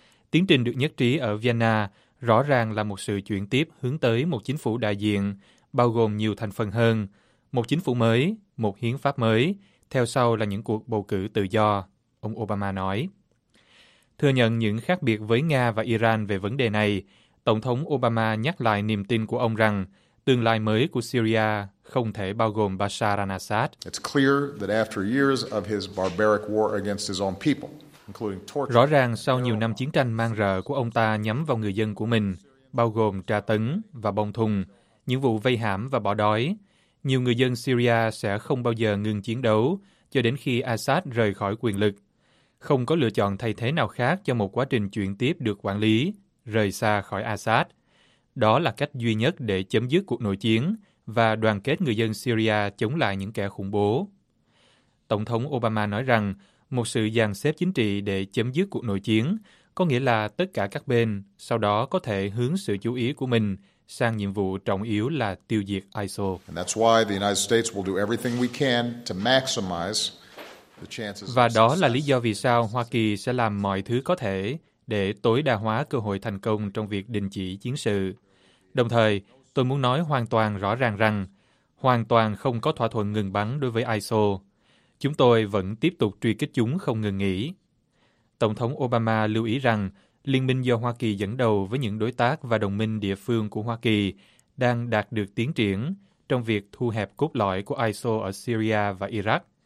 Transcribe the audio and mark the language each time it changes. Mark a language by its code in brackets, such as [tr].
[vi] Tiến trình được nhất trí ở Vienna rõ ràng là một sự chuyển tiếp hướng tới một chính phủ đại diện, bao gồm nhiều thành phần hơn, một chính phủ mới, một hiến pháp mới, theo sau là những cuộc bầu cử tự do, ông Obama nói. Thừa nhận những khác biệt với Nga và Iran về vấn đề này, Tổng thống Obama nhắc lại niềm tin của ông rằng tương lai mới của Syria không thể bao gồm Bashar al-Assad. [en] It's clear that after years of his barbaric war against his own people, including torture. [vi] Rõ ràng sau nhiều năm chiến tranh mang rợ của ông ta nhắm vào người dân của mình, bao gồm tra tấn và bông thùng, những vụ vây hãm và bỏ đói, nhiều người dân Syria sẽ không bao giờ ngừng chiến đấu cho đến khi Assad rời khỏi quyền lực. Không có lựa chọn thay thế nào khác cho một quá trình chuyển tiếp được quản lý, rời xa khỏi Assad. Đó là cách duy nhất để chấm dứt cuộc nội chiến và đoàn kết người dân Syria chống lại những kẻ khủng bố. Tổng thống Obama nói rằng một sự dàn xếp chính trị để chấm dứt cuộc nội chiến có nghĩa là tất cả các bên sau đó có thể hướng sự chú ý của mình sang nhiệm vụ trọng yếu là tiêu diệt ISIL. [en] And that's why the United States will do everything we can to maximize the chances. [vi] Và đó là lý do vì sao Hoa Kỳ sẽ làm mọi thứ có thể để tối đa hóa cơ hội thành công trong việc đình chỉ chiến sự. Đồng thời, tôi muốn nói hoàn toàn rõ ràng rằng hoàn toàn không có thỏa thuận ngừng bắn đối với ISIL. Chúng tôi vẫn tiếp tục truy kích chúng không ngừng nghỉ. Tổng thống Obama lưu ý rằng liên minh do Hoa Kỳ dẫn đầu với những đối tác và đồng minh địa phương của Hoa Kỳ đang đạt được tiến triển trong việc thu hẹp cốt lõi của ISIL ở Syria và Iraq.